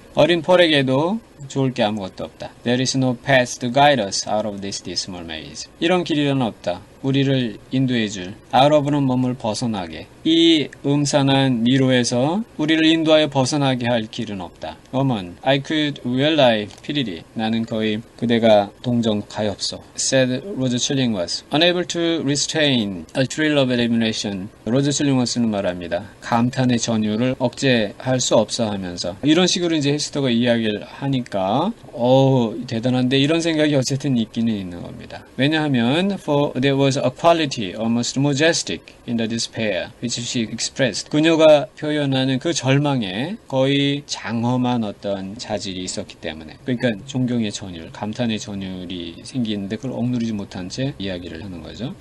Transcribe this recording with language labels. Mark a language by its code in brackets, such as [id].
[ko] 어린 펄에게도 좋을 게 아무것도 없다. [en] There is no path to guide us out of this dismal maze. [ko] 이런 길이란 없다. 우리를 인도해 줄. Out of는 몸을 벗어나게. 이 음산한 미로에서 우리를 인도하여 벗어나게 할 길은 없다. [en] Woman, I could well lie pretty. [ko] 나는 거의 그대가 동정 가엾소. [en] Said Roger Chillingworth. Unable to restrain a thrill of admiration. [ko] Roger Chillingworth는 말합니다. 감탄의 전율을 억제할 수 없어 하면서. 이런 식으로 이제 헤스터가 이야기를 하니까, 어우, 대단한데? 이런 생각이 어쨌든 있기는 있는 겁니다. 왜냐하면, [en] for there was a quality almost majestic in the despair which she expressed. [ko] 그녀가 표현하는 그 절망에 거의 장엄한 어떤 자질이 있었기 때문에. 그러니까 존경의 전율, 감탄의 전율이 생기는데 그걸 억누르지 못한 채 이야기를 하는 거죠.